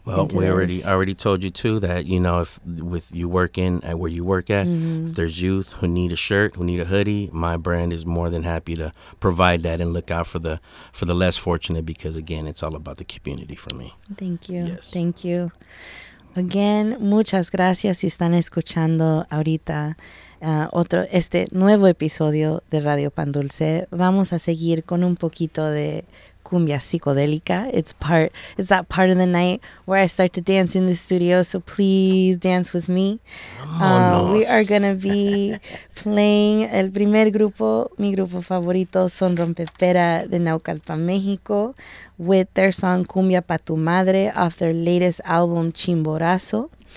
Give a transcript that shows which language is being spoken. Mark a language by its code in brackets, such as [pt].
[en] Well, I already told you too that, you know, if with you working at where you work at, if there's youth who need a shirt, who need a hoodie, my brand is more than happy to provide that and look out for the less fortunate, because again, it's all about the community for me. Thank you. Yes. Thank you. [es] Again, muchas gracias si están escuchando ahorita otro este nuevo episodio de Radio Pan Dulce. Vamos a seguir con un poquito de cumbia psicodélica. [en] It's that part of the night where I start to dance in the studio, so please dance with me. We are going to be playing [es] el primer grupo, mi grupo favorito, [en] Son Rompepera de Naucalpan, México, with their song Cumbia Pa Tu Madre off their latest album, Chimborazo.